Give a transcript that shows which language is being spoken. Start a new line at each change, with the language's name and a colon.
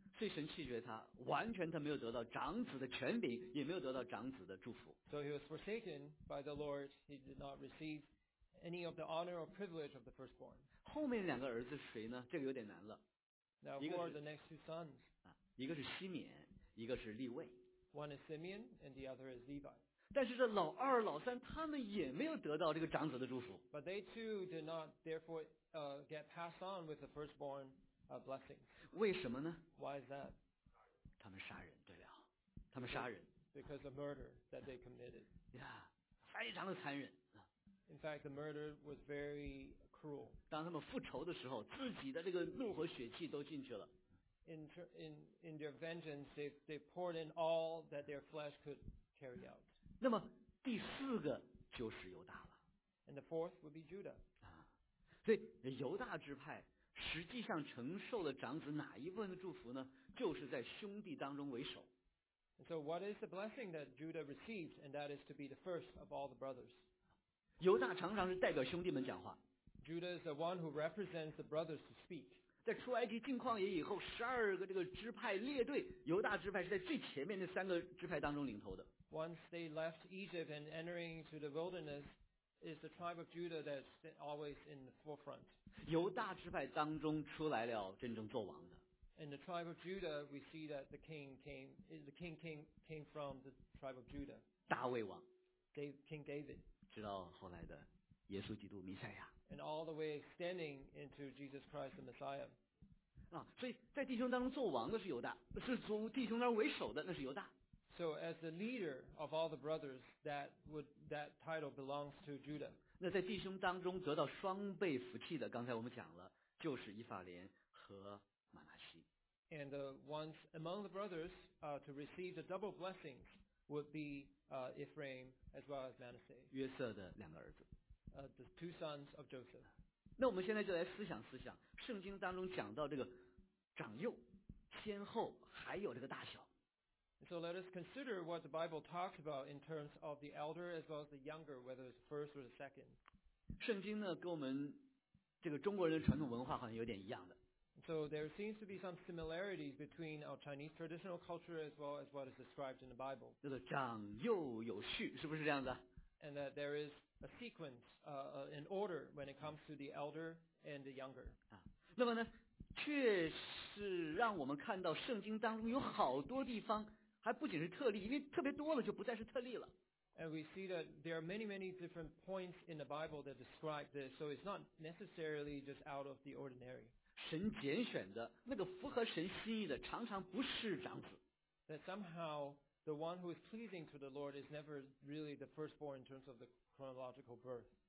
Chinese: 所以神弃绝他，完全他没有得到长子的权柄，也没有得到长子的祝福。
English: So he was forsaken by the Lord. He did not receive any of the honor or privilege of the firstborn.
Chinese: 后面两个儿子谁呢？这个有点难了。
English: Now who are the next two sons?
Chinese: 一个是西缅。一个是利未
English: ，One is Simeon and the other is Levi.
Chinese: 但是这老二、老三他们也没有得到这个长子的祝福。
English: But they too did not therefore get passed on with the firstborn blessing.
Chinese: 为什么呢
English: ？Why is that?
Chinese: 他们杀人，对了，他们杀人。
English: Because of murder that they committed.
Chinese: Yeah, 非常的残忍。
English: In fact, the murder was very cruel.
Chinese: 当他们复仇的时候，自己的这个怒和血气都进去了。
English: In their vengeance, they poured in all that their flesh could carry out.
Chinese: 那么第四个就是犹大了。
English: And the fourth would be Judah.
Chinese: 啊，所以犹大支派实际上承受了长子哪一部分的祝福呢？就是在兄弟当中为首。
English: And so what is the blessing that Judah received? And that is to be the first of all the brothers.
Chinese: 犹大常常是代表兄弟们讲话。
English: Judah is the one who represents the brothers to speak.
Chinese: 在出埃及进旷野以后，十二个这个支派列队，犹大支派是在最前面的三个支派当中领头的。
English: Once they left Egypt and entering to the wilderness, is the tribe of Judah that's always in the forefront.
Chinese: 犹大支派当中出来了真正做王的。
English: In the tribe of Judah, we see that the king came from the tribe of Judah.
Chinese: 大卫王。
English: King David.
Chinese: 直到后来的耶稣基督弥赛亚。
English: And all the way extending into Jesus Christ the Messiah.
Chinese: 啊，所以在弟兄当中做王的是犹大，是从弟兄当中为首的那是犹大。
English: So as the leader of all the brothers, that title belongs to Judah.
Chinese: 那在弟兄当中得到双倍福气的，刚才我们讲了，就是以法莲和马拿西。
English: And ones among the brothers to receive the double blessings would be Ephraim as well as Manasseh.
Chinese: 约瑟的两个儿子。
English: The two sons of Joseph.
Chinese: 那我们现在就来思想，圣经当中讲到这个长幼、先后，还有这个大小。
English: So let us consider what the Bible talks about in terms of the elder as well as the younger, whether it's first or the second.
Chinese: 圣经呢，跟我们这个中国人的传统文化好像有点一样的。
English: So there seems to be some similarities between our Chinese traditional culture as well as what is described in the Bible.
Chinese: 就是长幼有序，是不是这样子？
English: And that there is a sequence, an order when it comes to the elder and the younger.
Chinese: 啊，那么呢，确实让我们看到圣经当中有好多地方。还不仅是特例，因为特别多了就不再是特例了。
English: And we see that there are many, many different points in the Bible that describe this, so it's not necessarily just out of the ordinary.
Chinese: 神拣选的那个符合神心意的，常常不是长子。
English: That somehow the one who is pleasing to the Lord is never really the firstborn in terms of the chronological birth.